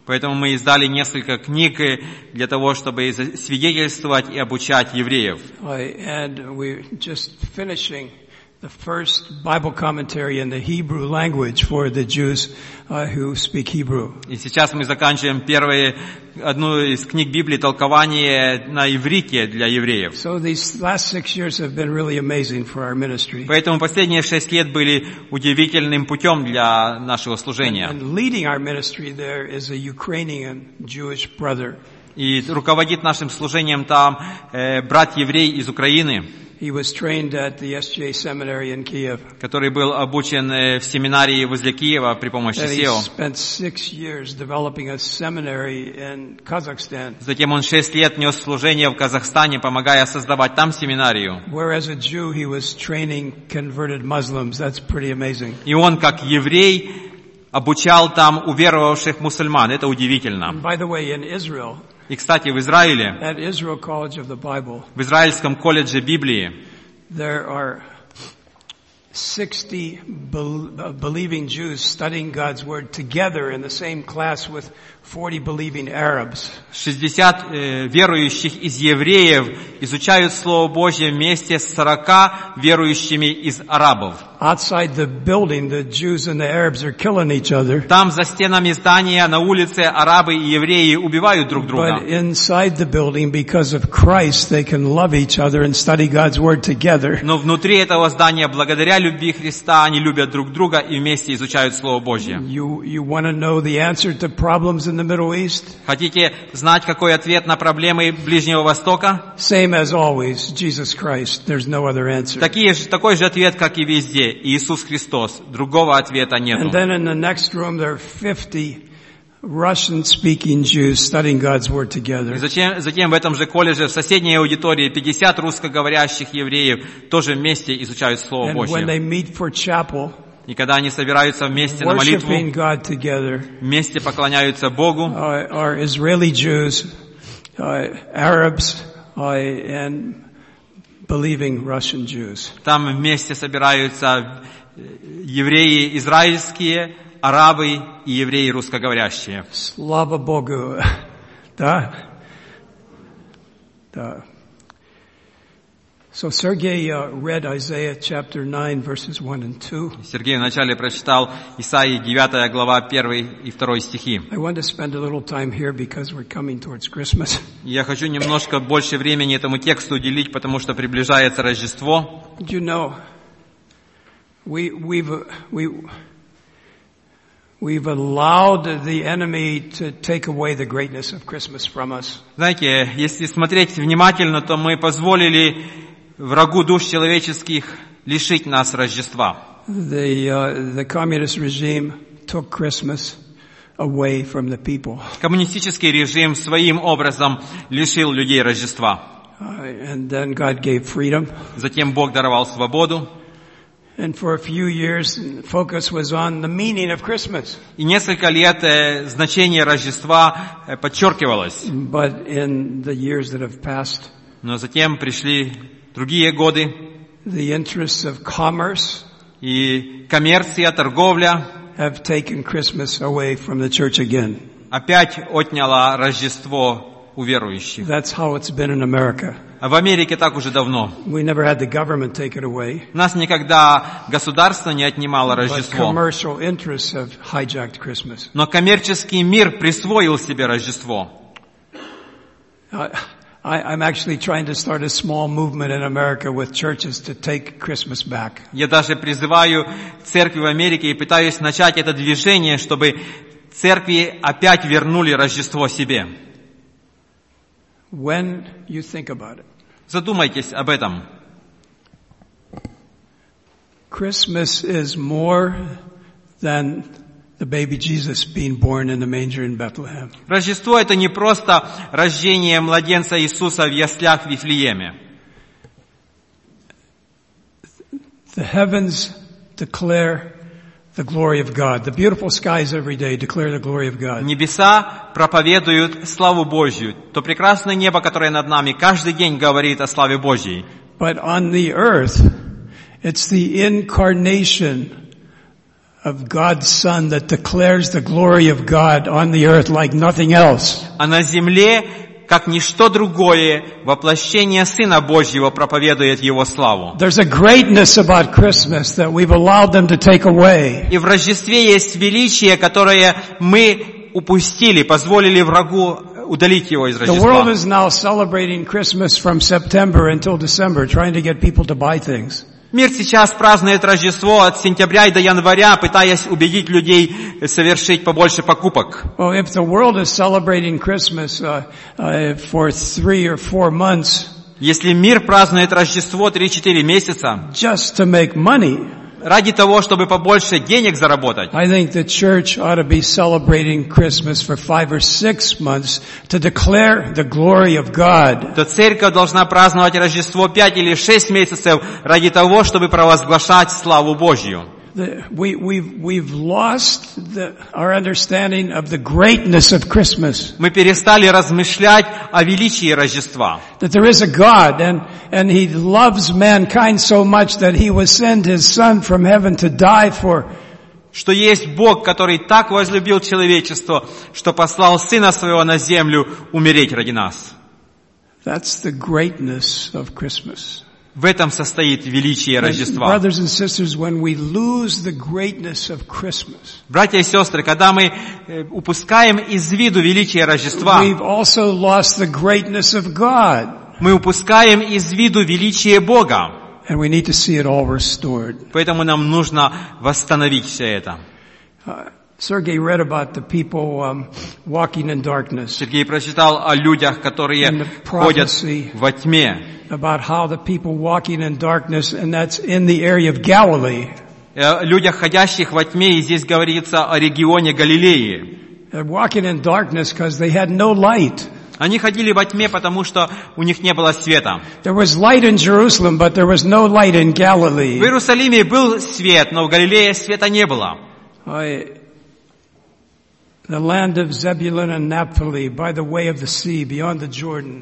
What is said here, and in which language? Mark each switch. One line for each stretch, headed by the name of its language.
Russian: Поэтому мы издали несколько книг для того, чтобы свидетельствовать и обучать евреев.
English: And we're just finishing the first Bible commentary in the Hebrew language for the Jews who speak Hebrew.
Russian: И сейчас мы заканчиваем одну из книг Библии толкование на иврите для евреев.
English: So these last 6 years have been really amazing for our ministry.
Russian: Поэтому последние 6 лет были удивительным путем для нашего служения.
English: And leading our ministry there is a Ukrainian Jewish brother.
Russian: И руководит нашим служением там брат еврей из Украины.
English: He was trained at the SGA seminary in Kiev.
Russian: Который был обучен в семинарии возле Киева при помощи СИО.
English: And he spent 6 years developing a seminary in Kazakhstan.
Russian: Затем он 6 лет нес служение в Казахстане, помогая создавать там семинарию.
English: Whereas a Jew, he was training converted Muslims. That's pretty amazing.
Russian: И он как еврей обучал там уверовавших мусульман. Это удивительно.
English: And by the way, in Israel.
Russian: И, кстати, в Израиле,
English: at Israel College of the Bible,
Russian: в Израильском колледже Библии,
English: there are 60 believing Jews studying God's word together in the same class with 40 believing Arabs.
Russian: 60 верующих из евреев изучают Слово Божье вместе с 40 верующими из арабов.
English: Outside the building, the Jews and the Arabs are killing each other.
Russian: Там за стенами здания на улице арабы и евреи убивают друг друга.
English: But inside the building, because of Christ, they can love each other and study God's word together.
Russian: Но внутри этого здания, благодаря любви Христа, они любят друг друга и вместе изучают Слово Божье.
English: You want to know the answer to problems in the Middle East?
Russian: Хотите знать, какой ответ на проблемы Ближнего Востока?
English: Same as always, Jesus Christ. There's no other answer.
Russian: Такой же ответ, как и везде. Иисус Христос. Другого ответа нету.
English: And then in the next room there are 50 Russian-speaking Jews studying God's word together.
Russian: Затем в этом же колледже в соседней аудитории 50 русскоговорящих евреев тоже вместе изучают Слово Божье.
English: And when they meet for chapel,
Russian: и когда они собираются вместе на молитву,
English: God together,
Russian: вместе поклоняются Богу,
English: are Israeli Jews, Arabs, and believing Russian Jews.
Russian: Там вместе собираются евреи израильские, арабы и евреи русскоговорящие. Слава Богу. Да. Да.
English: So Sergey read Isaiah chapter 9 verses 1 and 2.
Russian: Сергей вначале прочитал Исаии 9 глава 1 и 2 стихи.
English: I want to spend a little time here because we're coming towards Christmas.
Russian: Я хочу немножко больше времени этому тексту уделить, потому что приближается Рождество.
English: You know, we've allowed the enemy to take away the greatness of Christmas from us.
Russian: Знаете, если смотреть внимательно, то мы позволили врагу душ человеческих лишить нас Рождества.
English: The communist regime took Christmas away from the people.
Russian: Коммунистический режим своим образом лишил людей Рождества.
English: And then God gave freedom.
Russian: Затем Бог даровал свободу.
English: And for a few years, focus was on the meaning of Christmas.
Russian: И несколько лет значение Рождества подчеркивалось.
English: But in the years that have passed,
Russian: но затем пришли другие годы.
English: The interests of commerce,
Russian: и коммерция, торговля,
English: have taken Christmas away from the church again.
Russian: Опять отняло Рождество у верующих.
English: That's how it's been in America.
Russian: В Америке так уже давно.
English: We never had the government take it away.
Russian: Нас никогда государство не отнимало Рождество.
English: But commercial interests have hijacked Christmas.
Russian: Но коммерческий мир присвоил себе Рождество.
English: I'm actually trying to start a small movement in America with churches to take Christmas back.
Russian: Я даже призываю церкви в Америке и пытаюсь начать это движение, чтобы церкви опять вернули Рождество себе.
English: When you think about it.
Russian: Задумайтесь об этом.
English: Christmas is more than the baby Jesus being born in the manger in Bethlehem.
Russian: Рождество это не просто рождение младенца Иисуса в яслях в Вифлееме.
English: The heavens declare the glory of God. The beautiful skies every day declare the glory of God.
Russian: Небеса проповедуют славу Божью. То прекрасное небо, которое над нами, каждый день говорит о славе Божьей.
English: But on the earth, it's the incarnation of God's Son that declares the glory of God on the earth like nothing else.
Russian: А на земле, как ничто другое, воплощение Сына Божьего проповедует Его славу.
English: There's a greatness about Christmas that we've allowed them to take away.
Russian: И в Рождестве есть величие, которое мы упустили, позволили врагу удалить его из Рождества.
English: The world is now celebrating Christmas from September until December, trying to get people to buy things.
Russian: Мир сейчас празднует Рождество от сентября и до января, пытаясь убедить людей совершить побольше покупок.
English: Well, if the world is celebrating Christmas for 3 or 4 months,
Russian: если мир празднует Рождество 3-4 месяца,
English: just to make money,
Russian: ради того, чтобы побольше денег заработать,
English: I think the church ought to be celebrating Christmas for 5 or 6 months to declare the glory of God.
Russian: То церковь должна праздновать Рождество 5 или 6 месяцев ради того, чтобы провозглашать славу Божью.
English: We've lost our understanding of the greatness of Christmas.
Russian: Мы перестали размышлять о величии Рождества.
English: That there is a God and He loves mankind so much that He would send His Son from heaven to die for.
Russian: Что есть Бог, который так возлюбил человечество, что послал Сына Своего на землю умереть ради нас.
English: That's the greatness of Christmas.
Russian: В этом состоит величие Рождества.
English: Brothers and sisters, when we lose the greatness of Christmas,
Russian: братья и сестры, когда мы упускаем из виду величие Рождества,
English: we've also lost the greatness of God.
Russian: Мы упускаем из виду величие Бога.
English: And we need to see it all restored.
Russian: Поэтому нам нужно восстановить все это.
English: Sergey read about the people walking in darkness.
Russian: Сергей прочитал о людях, которые ходят во тьме.
English: About how the people walking in darkness, and that's in the area of Galilee.
Russian: Людях, ходящих во тьме, и здесь говорится о регионе Галилеи.
English: walking in darkness because they had no light.
Russian: Они ходили во тьме, потому что у них не было света.
English: There was light in Jerusalem, but there was no light in Galilee.
Russian: В Иерусалиме был свет, но в Галилее света не было.
English: The land of Zebulun and Naphtali, by the way of the sea, beyond the Jordan.